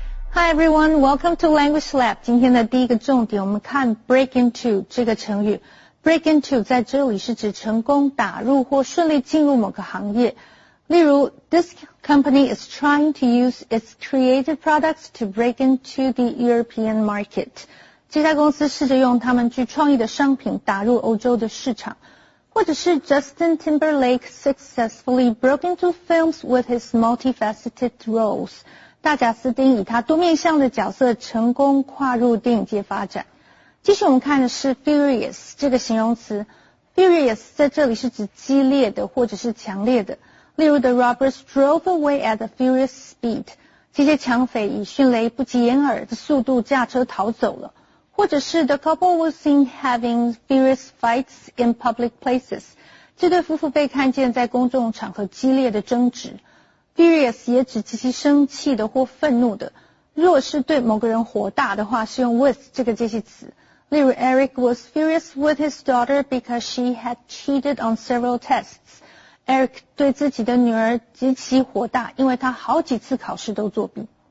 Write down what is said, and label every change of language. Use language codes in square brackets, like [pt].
[en] Hi everyone, welcome to Language Lab. [zh] 今天的第一个重点，我们看 break into 这个成语。 break into 在这里是指成功打入或顺利进入某个行业。例如 [en] ,this company is trying to use its creative products to break into the European market. [zh] 这家公司试着用他们具创意的商品打入欧洲的市场。或者是 [en] Justin Timberlake successfully broke into films with his multifaceted roles. [zh] 大贾斯汀以他多面向的角色成功跨入电影界发展。继续我们看的是 furious 这个形容词。furious 在这里是指激烈的或者是强烈的。例如 [en] the robbers drove away at a furious speed. [zh] 这些抢匪以迅雷不及掩耳的速度驾车逃走了。或者是 [en] the couple was seen having furious fights in public places. [zh] 这对夫妇被看见在公众场合激烈的争执。 Furious 也指极其生气的或愤怒的。若是对某个人火大的话，是用 with 这个介系词。例如 [en] ，Eric was furious with his daughter because she had cheated on several tests. [zh] Eric 对自己的女儿极其火大，因为她好几次考试都作弊。